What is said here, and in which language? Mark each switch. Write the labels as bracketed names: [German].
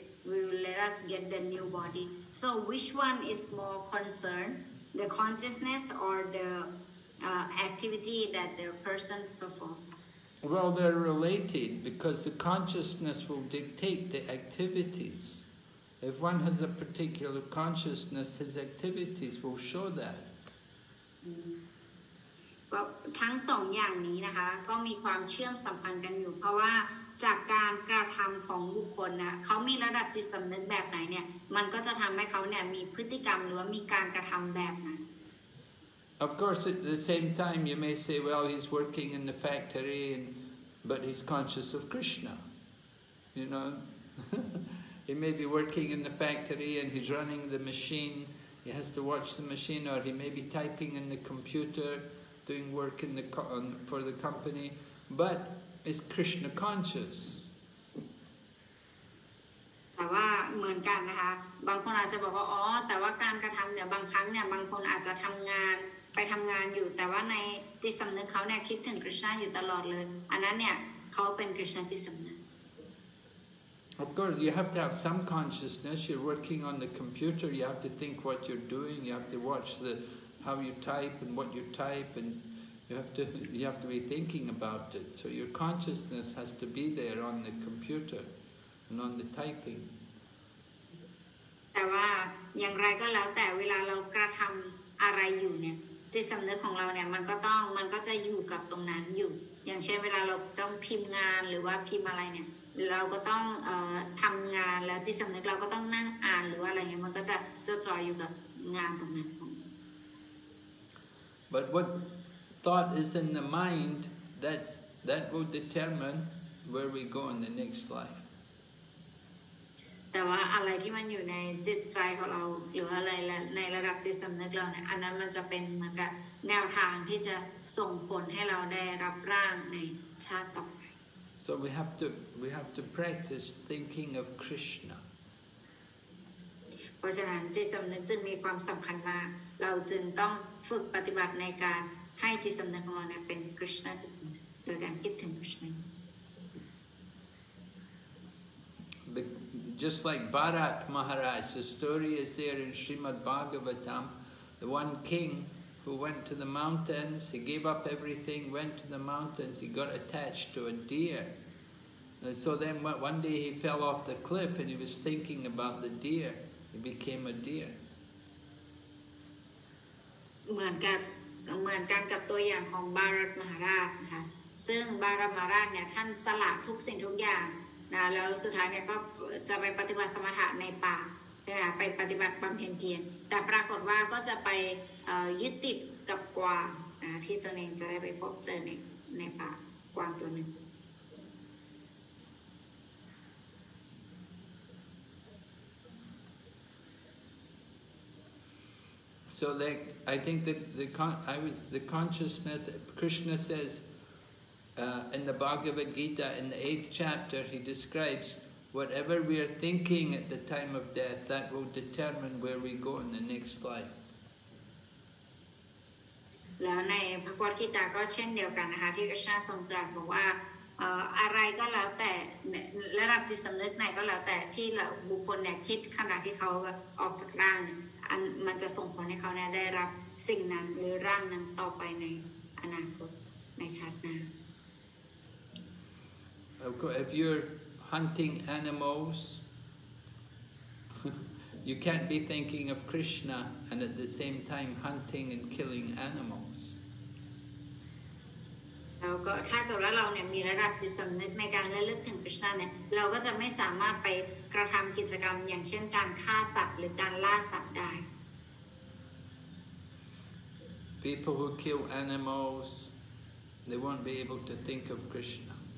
[English] will let us get the new body so which one is more concerned the consciousness or the activity that the person performs well they're related because the consciousness will dictate the activitiesIf one has a particular consciousness, his activities will show that. [Thai] Well, ทั้งสองอย่างนี้นะคะก็มีความเชื่อมสัมพันธ์กันอยู่เพราะว่าจากการกระทำของบุคคลนะเขามีระดับจิตสำนึกแบบไหนเนี่ยมันก็จะทำให้เขาเนี่ยมีพฤติกรรมหรือว่ามีการกระทำแบบนั้น [English] Of course, at the same time, you may say, well, he's working in the factory, but he's conscious of Krishna. You know. He may be working in the factory and he's running the machine, he has to watch the machine, or he may be typing in the computer, doing work in the for the company, but is Krishna conscious? [Thai] แต่ว่าเหมือนกันนะคะบางคนอาจจะบอกว่าอ๋อแต่ว่าการกระทำเนี่ยบางครั้งเนี่ยบางคนอาจจะทำงานไปทำงานอยู่แต่ว่าในจิตสำนึกเขาเนี่ยคิดถึงคริสต์นาอยู่ตลอดเลยอันนั้นเนี่ยเขาเป็นคริสต์นาที่สำนึก [English] Of course, you have to have some consciousness. You're working on the computer. You have to think what you're doing. You have to watch the how you type and what you type, and you have to be thinking about it. So your consciousness has to be there on the computer and on the typing. [Thai] แต่ว่าอย่างไรก็แล้วแต่เวลาเรากระทำอะไรอยู่เนี่ยจิตสำนึกของเราเนี่ยมันก็ต้องจะอยู่กับการกระทำตรงนั้นอยู่อย่างเช่นเวลาเราต้องพิมพ์งานหรือว่าพิมพ์อะไรเนี่ยเราก็ต้องทำงานแล้วจิตสำนึกเราก็ต้องนั่งอ่านหรือว่าอะไรเงี้ยมันก็จะจ่อยอยู่กับงานตรงนั้น [English] But what thought is in the mind that will determine where we go in the next life [Thai] แต่ว่าอะไรที่มันอยู่ในจิตใจของเราหรืออะไรในระดับจิตสำนึกเราเนี่ยอันนั้นมันจะเป็นเหมือนกับแนวทางที่จะส่งผลให้เราได้รับร่างในชาติต่อ [English] So we have to practice thinking of Krishna. [Thai] เพราะฉะนั้นจิตสำนึกจึงมีความสำคัญมากเราจึงต้องฝึกปฏิบัติในการให้จิตสำนึกของเราเนี่ยเป็น Krishna จิตโดยการคิดถึง Krishna. [English] Just like Bharat Maharaj, the story is there in Srimad Bhagavatam, the one king. Who went to the mountains, he gave up everything, went to the mountains, he got attached to a deer. And so then one day he fell off the cliff and he was thinking about the deer. He became a deer. [Thai] เหมือนกับเหมือนกันกับตัวอย่างของบารัตมหาราชนะคะซึ่งบารัตมหาราชเนี่ยท่านสละทุกสิ่งทุกอย่างนะแล้วสุดท้ายเนี่ยก็จะไปปฏิบัติสมถะในป่าใช่ไหมไปปฏิบัติบำเพ็ญเพียรแต่ปรากฏว่าก็จะไปยึดติดกับกวางนะที่ตัวเองจะได้ไปพบเจอในป่ากวางตัวหนึ่ง [English] So like, I think that the consciousness, Krishna says in the Bhagavad Gita, in the 8th chapter, he describes whatever we are thinking at the time of death, that will determine where we go in the next life. [Thai] แล้วในพระกวดกีตาก็เช่นเดียวกันนะคะที่ Krishna ทรงตรัสบอกว่าอะไรก็แล้วแต่ระดับจิตสำนึกไหนก็แล้วแต่ที่บุคคลเนี่ยคิดขณะที่เขาออกจากร่างอันมันจะส่งผลให้เขาเนี่ยได้รับสิ่งนั้นหรือร่างนั้นต่อไปในอนาคตในชาติหน้า [English] Okay, if you're hunting animals you can't be thinking of Krishna and at the same time hunting and killing animals [Thai] แล้วก็ถ้าเกิดว่าเราเนี่ยมีระดับจิตสำนึกในการระลึกถึงคริสต์เนี่ยเราก็จะไม่สามารถไปกระทำกิจกรรมอย่างเช่นการฆ่าสัตว์หรือการล่าสัตว์ได้ [English] People who kill animals they won't be able to think of Krishna